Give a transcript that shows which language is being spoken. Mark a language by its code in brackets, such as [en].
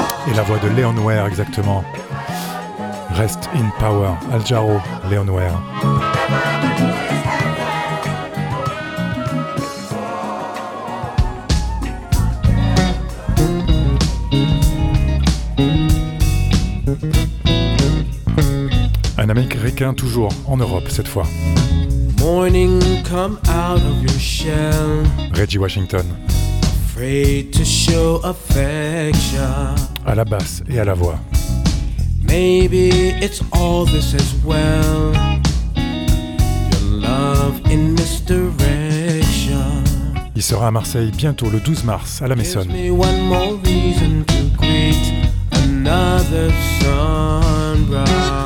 [fr] Et la voix de Leon Ware, exactement. [en] Rest in Power, [fr] Al Jarreau, Leon Ware. Un Américain toujours en Europe cette fois. [en] Morning, come out of your shell. [fr] Reggie Washington. [en] Afraid to show affection. [fr] À la basse et à la voix. [en] Maybe it's all this as well. Your love in misdirection. [fr] Il sera à Marseille bientôt le 12 mars à la Maison. [en] Gives me one more reason to greet another sunrise.